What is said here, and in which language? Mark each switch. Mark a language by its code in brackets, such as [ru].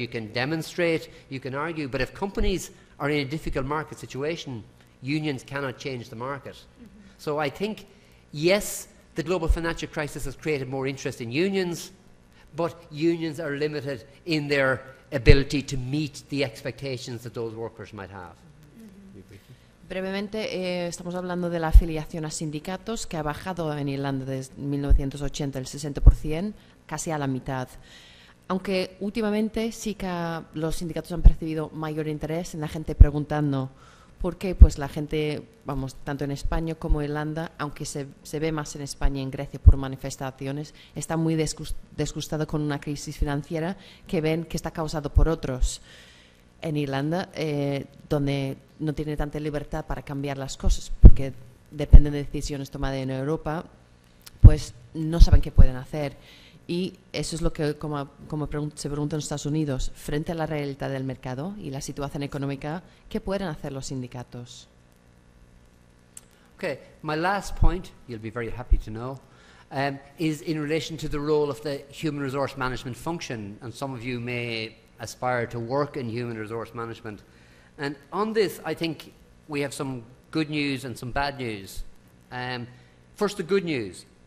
[en] You can demonstrate, you can argue, but if companies are in a difficult market situation, unions cannot change the market. Mm-hmm. So I think, yes, the global financial crisis has created more interest in unions, but unions are limited in their ability to meet the expectations that those workers might have. [es] Brevemente, estamos hablando de la afiliación a sindicatos que ha bajado en Irlanda desde 1980 el 60%, casi a la mitad. Aunque últimamente sí que los sindicatos han percibido mayor interés en la gente preguntando por qué, pues la gente, vamos, tanto en España como en Irlanda, aunque se ve más en España y en Grecia por manifestaciones, está muy disgustado con una crisis financiera que ven que está causado por otros. En Irlanda, donde no tiene tanta libertad para cambiar las cosas, porque dependen de decisiones tomadas en Europa, pues no saben qué pueden hacer. Y eso es lo que, como se pregunta en Estados Unidos, frente a la realidad del mercado y la situación económica, ¿qué pueden hacer los sindicatos? [en] Okay, my last point, you'll be very happy to know, is in relation to the role of the human resource management function, and some of you may aspire to work in human resource management. And on this, I think we have some good news and some bad news. First, the good news.